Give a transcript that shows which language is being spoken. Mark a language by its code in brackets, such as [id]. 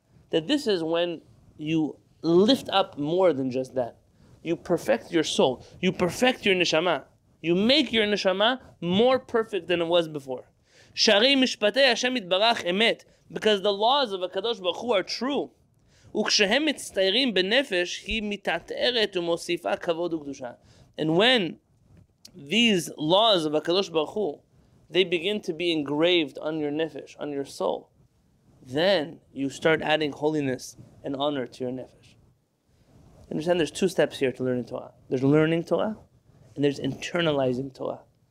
[en] That this is when you lift up more than just that. You perfect your soul. You perfect your neshama. You make your neshama more perfect than it was before. [he] Shari mishpatei Hashem itbarach emet, [en] because the laws of HaKadosh Baruch Hu are true. [he] וכשהם מצטיירים בנפש, היא מתעתרת ומוסיפה כבוד וקדושה. [en] And when these laws of HaKadosh Baruch Hu, they begin to be engraved on your nefesh, on your soul, then you start adding holiness and honor to your nefesh. Understand, there's two steps here to learning Torah. There's learning Torah, and there's internalizing Torah.